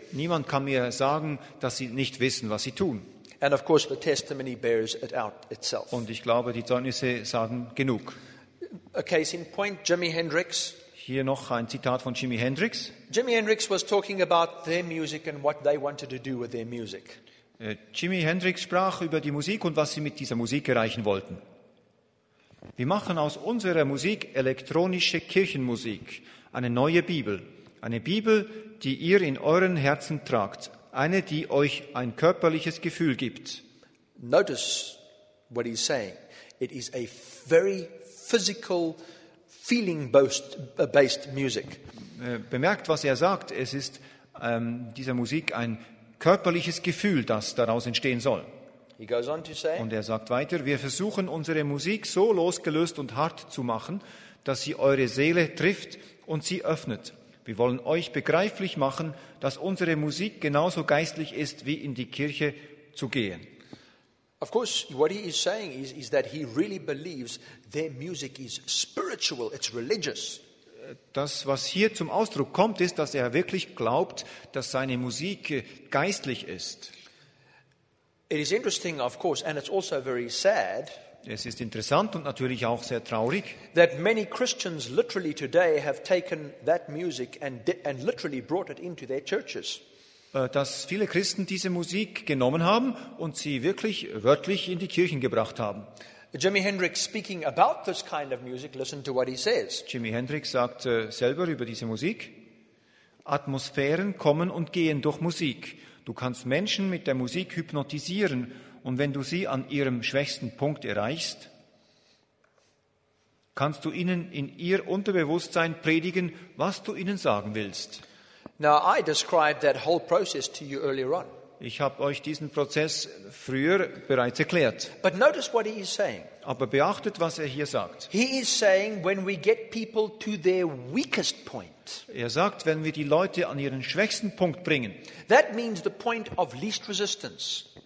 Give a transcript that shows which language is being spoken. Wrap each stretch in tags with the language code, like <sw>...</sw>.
<de>Niemand kann mir sagen, dass sie nicht wissen, was sie tun.</de> <en>And of course the testimony bears it out itself.</en> <de>Und ich glaube, die Zeugnisse sagen genug.</de> <en>A case in point, Jimi Hendrix.</en> <de>Hier noch ein Zitat von Jimi Hendrix.</de> <en>Jimi Hendrix was talking about their music and what they wanted to do with their music.</en> <de>Jimi Hendrix sprach über die Musik und was sie mit dieser Musik erreichen wollten. Wir machen aus unserer Musik elektronische Kirchenmusik, eine neue Bibel, eine Bibel, die ihr in euren Herzen tragt. Eine, die euch ein körperliches Gefühl gibt.</de> <en>Notice what he's saying. It is a very physical, feeling-based music.</en> <de>Bemerkt, was er sagt. Es ist dieser Musik ein körperliches Gefühl, das daraus entstehen soll.</de> <en>He goes on to say,</en> <de>und er sagt weiter, wir versuchen unsere Musik so losgelöst und hart zu machen, dass sie eure Seele trifft und sie öffnet. Wir wollen euch begreiflich machen, dass unsere Musik genauso geistlich ist, wie in die Kirche zu gehen.</de> <en>Of course, what he is saying is that he really believes their music is spiritual, it's religious.</en> <de>Das, was hier zum Ausdruck kommt, ist, dass er wirklich glaubt, dass seine Musik geistlich ist.</de> <en>It is interesting, of course, and it's also very sad.</en> <de>Es ist interessant und natürlich auch sehr traurig,</de> <en>that many Christians literally today have taken that music and literally brought it into their churches.</en> <de>Dass viele Christen diese Musik genommen haben und sie wirklich wörtlich in die Kirchen gebracht haben.</de> <en>Jimi Hendrix speaking about this kind of music, listen to what he says.</en> <de>Jimi Hendrix sagt selber über diese Musik: Atmosphären kommen und gehen durch Musik. Du kannst Menschen mit der Musik hypnotisieren. Und wenn du sie an ihrem schwächsten Punkt erreichst, kannst du ihnen in ihr Unterbewusstsein predigen, was du ihnen sagen willst.</de> <en>Now I described that whole process to you earlier on.</en> <de>Ich habe euch diesen Prozess früher bereits erklärt.</de> <en>But notice what he is saying.</en> <de>Aber beachtet, was er hier sagt.</de> <en>He is saying when we get people to their weakest point.</en> <de>Er sagt, wenn wir die Leute an ihren schwächsten Punkt bringen.</de> <en>That means the point of least resistance.</en>